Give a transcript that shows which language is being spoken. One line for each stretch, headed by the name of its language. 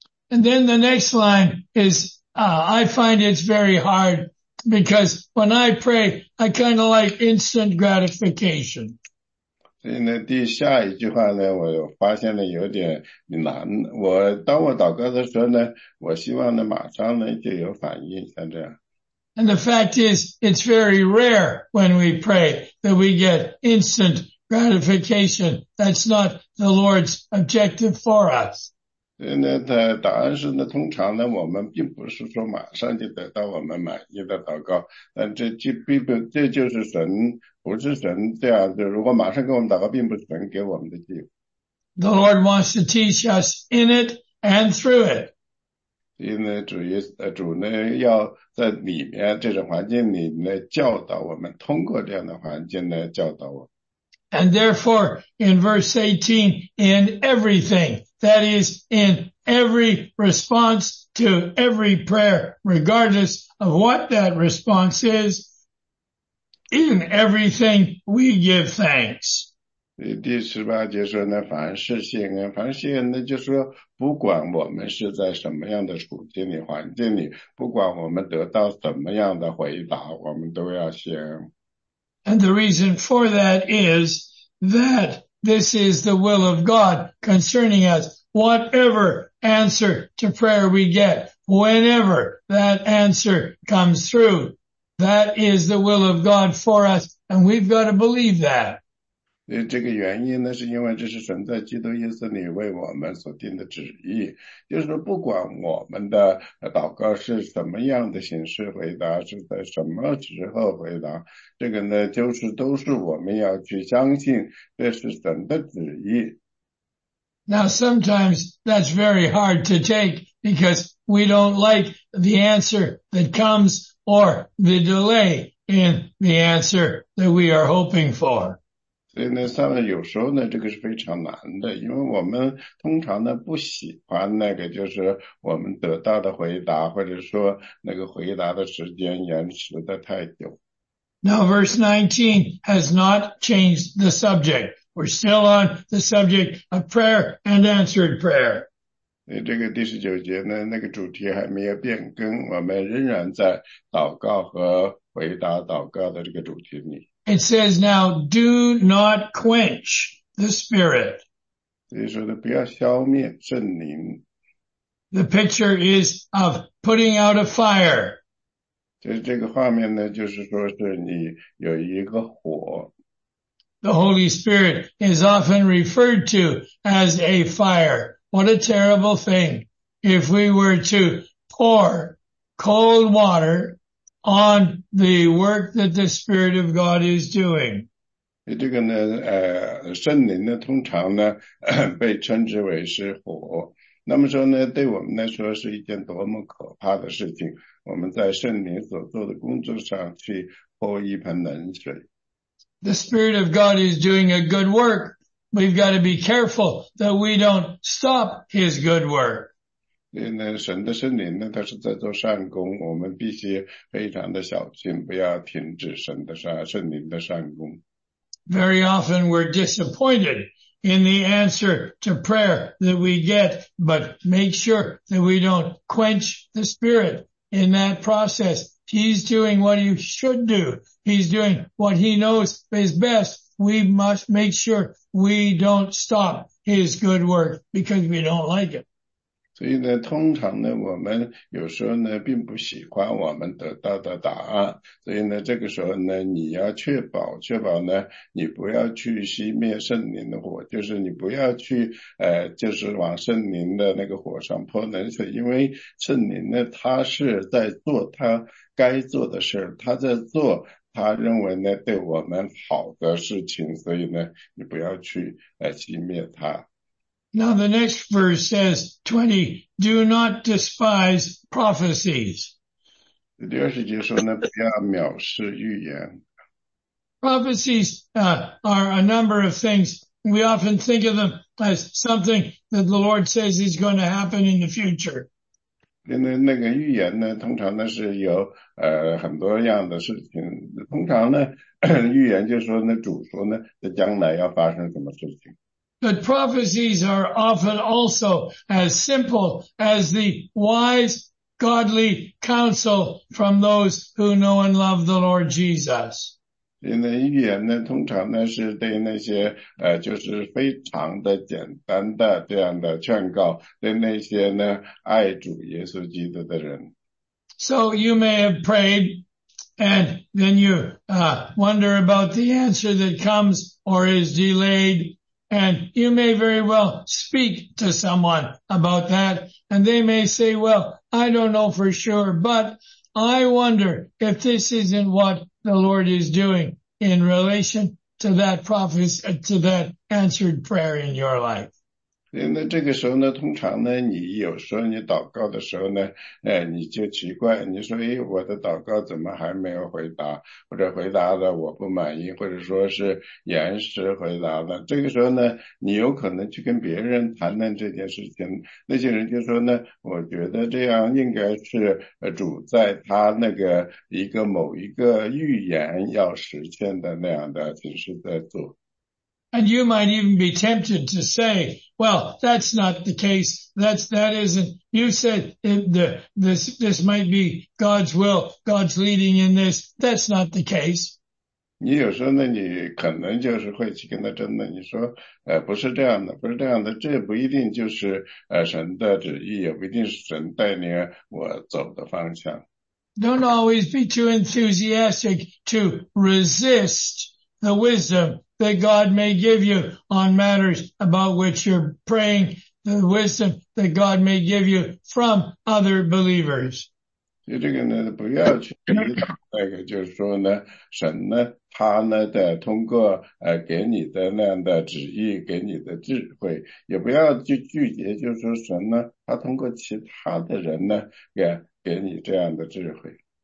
English: And then the next line is, I find it's very hard because when I pray, I kind of like instant gratification.
Chinese: 所以呢，第下一句话呢，我发现呢有点难。当我祷告的时候呢，我希望呢马上呢就有反应，像这样。
English: And the fact is, it's very rare when we pray that we get instant gratification. That's not the Lord's objective for us.
Chinese: 所以呢，它答案是呢，通常呢，我们并不是说马上就得到我们满意的祷告，但这就并不，这就是神，不是神这样，就如果马上给我们祷告，并不是神给我们的机会。
English: The Lord wants to teach us in it and through it.
Chinese: 所以呢，主呢要在里面这种环境里来教导我们，通过这样的环境来教导我们。
English: And therefore, in verse 18, in everything, that is, in every response to every prayer, regardless of what that response is, in everything we give thanks.
Chinese: 第18节说呢，凡事谢恩呢，就是说，不管我们是在什么样的处境里、环境里，不管我们得到什么样的回答，我们都要谢恩。
English: And the reason for that is that this is the will of God concerning us. Whatever answer to prayer we get, whenever that answer comes through, that is the will of God for us, and we've got to believe that.
Chinese: 因为这个原因呢，是因为这是神在基督耶稣里为我们所定的旨意，就是不管我们的祷告是什么样的形式回答，是在什么时候回答，这个呢，就是都是我们要去相信这是神的旨意。
English: Now, sometimes that's very hard to take because we don't like the answer that comes or the delay in the answer that we are hoping for.
Chinese: 所以呢，上面有时候呢，这个是非常难的，因为我们通常呢不喜欢那个，就是我们得到的回答，或者说那个回答的时间延迟的太久。
English: Now, verse 19 has not changed the subject. We're still on the subject of prayer and answered prayer.
Chinese: 那这个第19节呢，那个主题还没有变更，我们仍然在祷告和回答祷告的这个主题里。
English: It says now, do not quench the spirit.
Chinese: 所以说呢，不要消灭圣灵。
English: The picture is of putting out a fire.
Chinese: 就是这个画面呢，就是说是你有一个火。
English: The Holy Spirit is often referred to as a fire. What a terrible thing if we were to pour cold water on the work that the Spirit of God is doing.
Chinese: 这个呢，圣灵呢，通常呢被称之为是火。那么说呢，对我们来说是一件多么可怕的事情，我们在圣灵所做的工作上去泼一盆冷水。
English: The Spirit of God is doing a good work. We've got to be careful that we don't stop His good work.
Chinese: 因为神的圣灵呢，他是在做善工，我们必须非常的小心，不要停止神的圣灵的善工。
English: Very often we're disappointed in the answer to prayer that we get, but make sure that we don't quench the Spirit in that process. He's doing what he should do. He's doing what he knows is best. We must make sure we don't stop his good work because we don't like it.
Chinese: 所以呢，通常呢，我们有时候呢，并不喜欢我们得到的答案。所以呢，这个时候呢，你要确保呢，你不要去熄灭圣灵的火，就是你不要去就是往圣灵的那个火上泼冷水，因为圣灵呢，他是在做他该做的事，他在做他认为呢对我们好的事情，所以呢，你不要去熄灭他。
English: Now the next verse says, 20, do not despise prophecies.
Chinese: 第二十节说呢，不要藐视预言。
English: Prophecies, are a number of things. We often think of them as something that the Lord says is going to happen in the future.
Chinese: 那个预言呢，通常呢是有很多样的事情。通常呢，预言就是说呢，主说呢，在将来要发生什么事情。
English: But prophecies are often also as simple as the wise, godly counsel from those who know and love the Lord Jesus.
Chinese: 因为预言呢，通常呢是对那些就是非常的简单的这样的劝告，对那些呢爱主耶稣基督的人。
English: So you may have prayed, and then you wonder about the answer that comes or is delayed. And you may very well speak to someone about that, and they may say, well, I don't know for sure, but I wonder if this isn't what the Lord is doing in relation to that prophecy, to that answered prayer in your life.
Chinese: 那这个时候呢，通常呢，你有时候你祷告的时候呢，你就奇怪，你说，哎，我的祷告怎么还没有回答，或者回答的我不满意，或者说是延迟回答的。这个时候呢，你有可能去跟别人谈论这件事情，那些人就说呢，我觉得这样应该是主在他那个一个某一个预言要实现的那样的形式在做。
English: And you might even be tempted to say, well, that's not the case. That isn't. You said this might be God's will, God's leading in this. That's not the case.
Chinese: 你有时候呢，你可能就是会去跟他争论，你说，不是这样的，不是这样的，这不一定就是神的旨意，也不一定是神带领我走的方向。
English: Don't always be too enthusiastic to resist the wisdom. That God may give you on matters about which you're praying, the wisdom that God may give you from other believers.
Chinese: 所以这个呢，不要去抵挡那个，就是说呢，神呢，他呢的通过给你的那样的旨意，给你的智慧，也不要去拒绝，就是说神呢，他通过其他的人呢，给你这样的智慧。